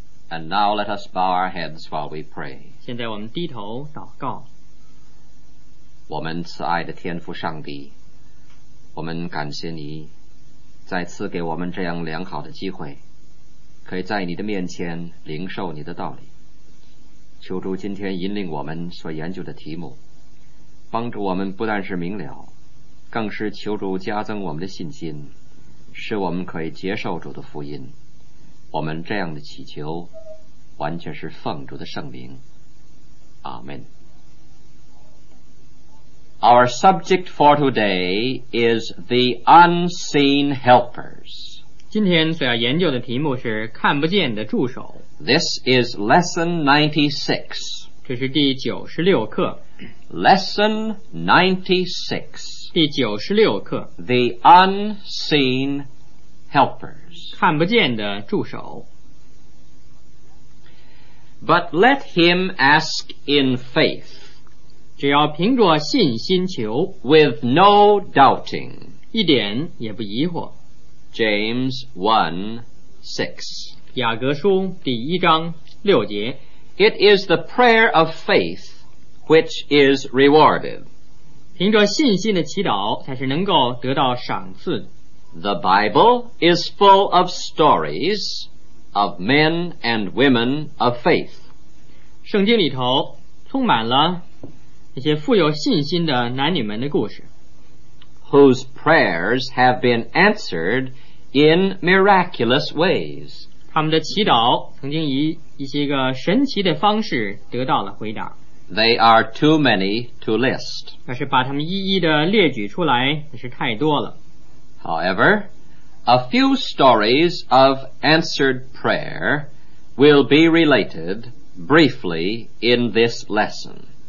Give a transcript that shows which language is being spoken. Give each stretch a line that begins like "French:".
English: And now let us bow our heads while we pray.
Chinese: 现在我们低头祷告。我们慈爱的天父上帝，我们感谢你再次给我们这样良好的机会，可以在你的面前领受你的道理。求主今天引领我们所研究的题目，帮助我们不但是明了，更是求主加增我们的信心，使我们可以接受主的福音。我们这样的祈求完全是奉主的圣名，阿们。
English: Our subject for today is the unseen helpers.
Chinese: 今天所要研究的题目是看不见的助手。
English: This is Lesson 96.
Chinese: 这是第96课。
English: Lesson 96.
Chinese: 第96课。
English: The Unseen Helpers.
Chinese: 看不见的助手。
English: But let him ask in faith.
Chinese: 只要凭着信心求。
English: With no doubting.
Chinese: 一点也不疑惑。
English: James 1:6.
Chinese: 雅各书第一章六节。
English: It is the prayer of faith which is rewarded.
Chinese: 凭着信心的祈祷才是能够得到赏赐。
English: The Bible is full of stories of men and women of faith.
Chinese: 圣经里头充满了那些富有信心的男女们的故事。
English: Whose prayers have been answered in miraculous ways.
Chinese: 他们的祈祷曾经以一些个神奇的方式得到了回答。
English: They are too many to list.
Chinese: 但是把他们一一的列举出来那是太多了。
English: However, a few stories of answered prayer will be related briefly in this lesson.